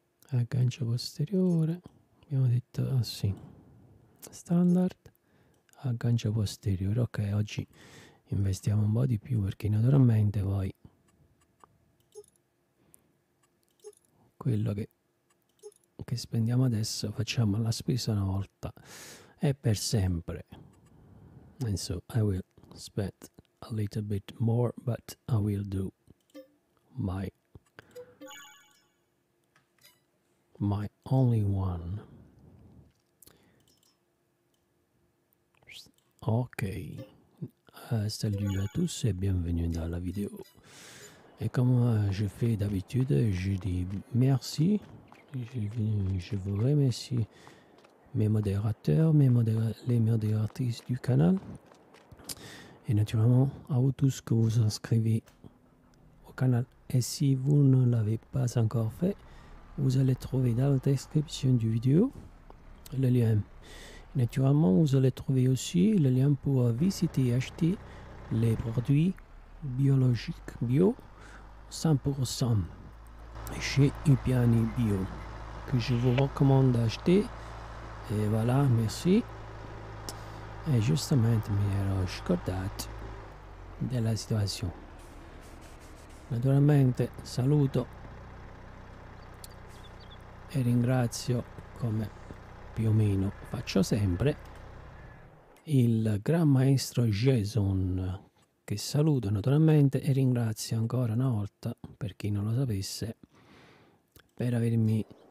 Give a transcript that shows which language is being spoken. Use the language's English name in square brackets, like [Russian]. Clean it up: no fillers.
[Italian] Aggancio posteriore. Abbiamo detto, ah sì, standard, aggancio posteriore. Ok, oggi investiamo un po' di più perché naturalmente poi quello che spendiamo adesso facciamo la spesa una volta e per sempre. [English] And so I will spend a little bit more, but I will do my only one. [French] Ok, salut à tous et bienvenue dans la vidéo. Et comme je fais d'habitude, je dis merci. Je vous remercie mes modérateurs, les modératrices du canal. Et naturellement, à vous tous que vous inscrivez au canal. Et si vous ne l'avez pas encore fait, vous allez trouver dans la description du vidéo le lien. Naturellement, vous allez trouver aussi le lien pour visiter et acheter les produits biologiques bio 100% chez Upiani Bio que je vous recommande d'acheter. Et voilà, merci. Et justement, [Italian] mi ero scordato della situazione. Naturalmente, saluto e ringrazio come più o meno faccio sempre il gran maestro Jason, che saluto naturalmente e ringrazio ancora una volta, per chi non lo sapesse, per avermi